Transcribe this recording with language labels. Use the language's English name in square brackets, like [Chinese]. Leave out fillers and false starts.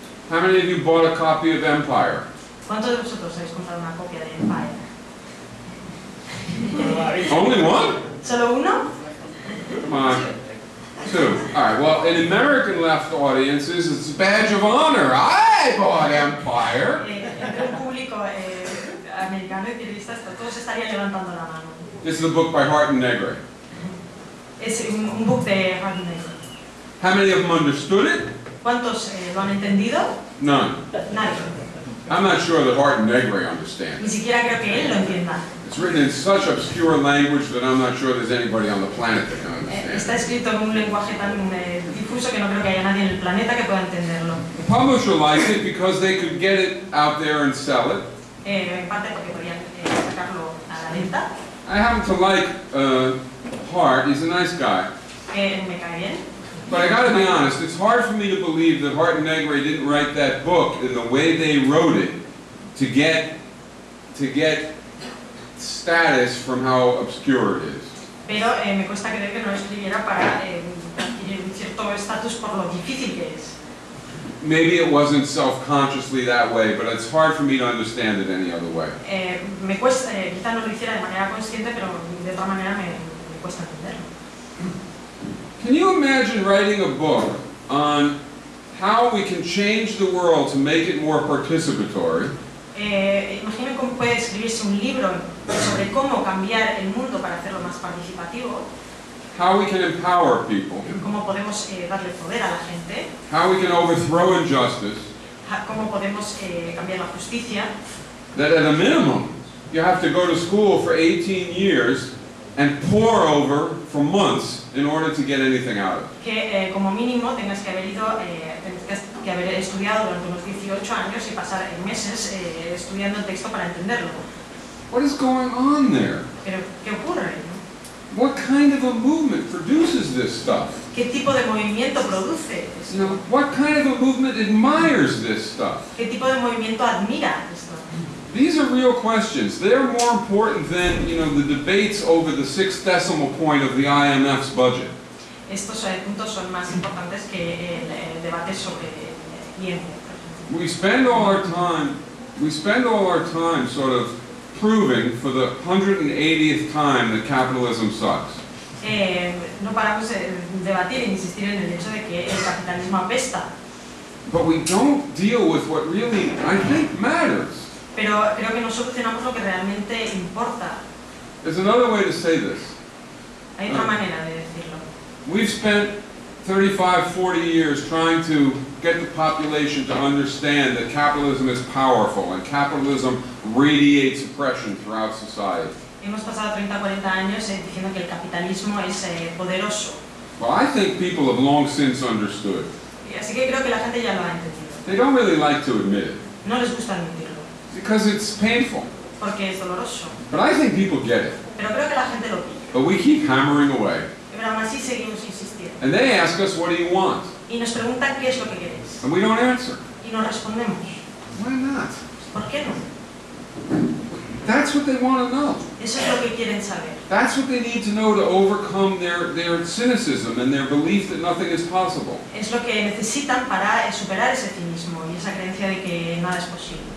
[English] How many of you bought a copy of Empire? [Spanish] ¿Cuántos de vosotros habéis comprado una copia de Empire? [English] Only one? [Spanish] ¿Solo uno? [English] Two. All right. Well, in American left audiences, it's a badge of honor. I bought Empire. [Spanish] Entre un público americano y periodista, todos estarían levantando la mano. [English] This is a book by Hart and Negri. [Spanish] Es un book de Hart and Negri. [English] How many of them understood it? [Spanish] ¿Cuántos lo han entendido? [English] None. [Spanish] Nadie. [English] I'm not sure that Hart and Negri understand. [Spanish] Ni siquiera creo que él lo entienda. [English] It's written in such obscure language that I'm not sure there's anybody on the planet that can understand. [Spanish] Está escrito en un lenguaje tan difuso que no creo que haya nadie en el planeta que pueda entenderlo. [English] The publisher liked it because they could get it out there and sell it. [Spanish] En parte porque podían sacarlo a la venta. [English] I happen to like Hart. He's a nice guy. But I gotta be honest, it's hard for me to believe that Hart and Negri didn't write that book in the way they wrote it to get status from how obscure it is. [Spanish] Pero me cuesta creer que no escribiera para adquirir cierto estatus por lo difícil que es. [English] Maybe it wasn't self-consciously that way, but it's hard for me to understand it any other way. [Spanish] Me cuesta, quizá no lo hiciera de manera consciente, pero de otra manera me cuesta entenderlo. [English] Can you imagine writing a book on how we can change the world to make it more participatory? [Spanish] Imagina cómo puede escribirse un libro sobre cómo cambiar el mundo para hacerlo más participativo. [English] How we can empower people. [Spanish] ¿Cómo podemos darle poder a la gente? [English] How we can overthrow injustice. [Spanish] ¿Cómo podemos cambiar la justicia? [English] That at a minimum, you have to go to school for 18 years and pore over for months in order to get anything out of it. [Spanish] Que como mínimo tengas que haber ido, que haber estudiado durante unos 18 años y pasar meses estudiando el texto para entenderlo. [English] What is going on there? [Spanish] ¿Pero qué ocurre? [English] What kind of a movement produces this stuff? [Spanish] ¿Qué tipo de movimiento produce esto? [English] You know, what kind of a movement admires this stuff? [Spanish] ¿Qué tipo de movimiento admira esto? [English] These are real questions. They're more important than, you know, the debates over the sixth decimal point of the IMF's budget. [Spanish] Estos puntos son más importantes que el debate sobre el IMF. [English] We spend all our time sort of proving for the 180th time that capitalism sucks. [Spanish] No paramos de debatir e insistir en el hecho de que el capitalismo apesta. [English] But we don't deal with what really, I think, matters. [Spanish] Pero creo que no solucionamos lo que realmente importa. [English] There's another way to say this. [Spanish] Hay otra manera de decirlo. [English] We've spent 35-40 years trying to get the population to understand that capitalism is powerful and capitalism radiates oppression throughout society. [Spanish] Hemos pasado 30-40 años diciendo que el capitalismo es poderoso. [English] Well, I think people have long since understood. [Spanish] Así que creo que la gente ya lo ha entendido. [English] They don't really like to admit it. [Spanish] No les gusta admitirlo. [English] Because it's painful. [Spanish] Porque es doloroso. [English] But I think people get it. [Spanish] Pero creo que la gente lo pilla. [English] But we keep hammering away. [Spanish] Pero aún así seguimos insistiendo. [English] And they ask us, what do you want? [Spanish] Y nos preguntan, ¿qué es lo que queréis? [English] And we don't answer. [Spanish] Y no respondemos. [English] Why not? [Spanish] ¿Por qué no? [English] That's what they want to know. [Spanish] Eso es lo que quieren saber. [English] That's what they need to know to overcome their cynicism and their belief that nothing is possible. [Spanish] Es lo que necesitan para superar ese cinismo y esa creencia de que nada es posible.